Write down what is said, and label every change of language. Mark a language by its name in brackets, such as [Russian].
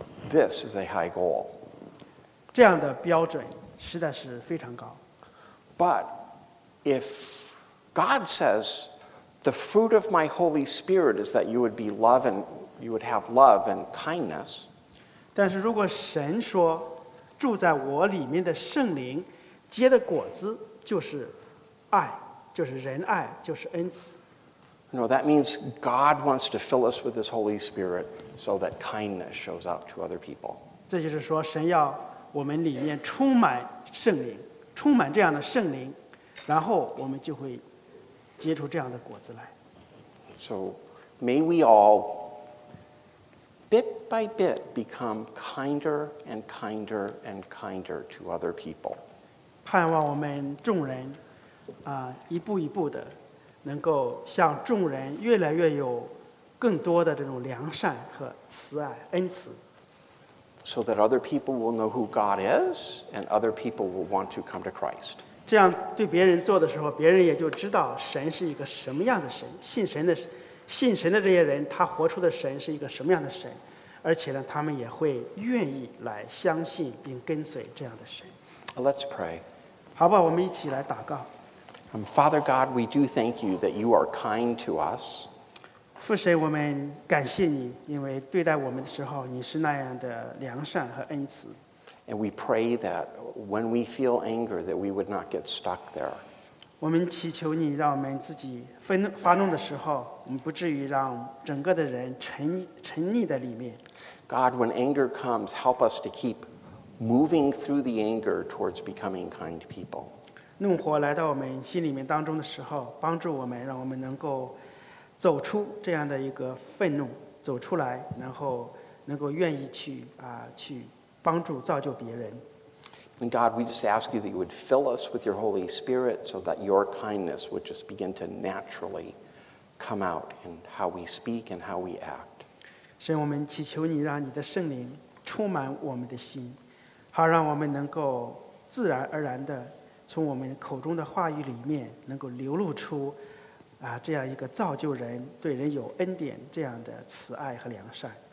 [English] This is a high goal [Chinese] 这样的标准实在是非常高 [English] But if God says the fruit of my Holy Spirit is that you would be love and you would have love and kindness [Chinese] 但是如果神说住在我里面的圣灵结的果子就是爱就是仁爱就是恩慈 [English] No, that means God wants to fill us with His Holy Spirit so that kindness shows up to other people. [Chinese] 这就是说神要我们里面充满圣灵充满这样的圣灵然后我们就会结出这样的果子来。 [English] So may we all bit by bit become kinder and kinder and kinder to other people. [Chinese] 盼望我们众人一步一步的能够向众人越来越有更多的这种良善和慈爱恩慈 [English] so that other people will know who God is and other people will want to come to Christ [Chinese] 这样对别人做的时候别人也就知道神是一个什么样的神信神的这些人他活出的神是一个什么样的神而且呢他们也会愿意来相信并跟随这样的神 [English] Let's pray [Chinese] 好吧我们一起来祷告 [English] Father God, we do thank you that you are kind to us. [Chinese] 父神，我们感谢你，因为对待我们的时候，你是那样的良善和恩慈。 [English] And we pray that when we feel anger, that we would not get stuck there. [Chinese] 我们祈求你，让我们自己发怒的时候，我们不至于让整个的人沉溺在里面。 [English] God, when anger comes, help us to keep moving through the anger towards becoming kind people. [Chinese] 怒火来到我们心里面当中的时候帮助我们让我们能够走出这样的一个愤怒走出来然后能够愿意去啊去帮助造就别人。 [English] And God, we just ask you that you would fill us with your Holy Spirit so that your kindness would just begin to naturally come out in how we speak and how we act. [Chinese] 神，我们祈求你让你的圣灵充满我们的心，好让我们能够自然而然地从我们口中的话语里面能够流露出啊这样一个造就人对人有恩典这样的慈爱和良善。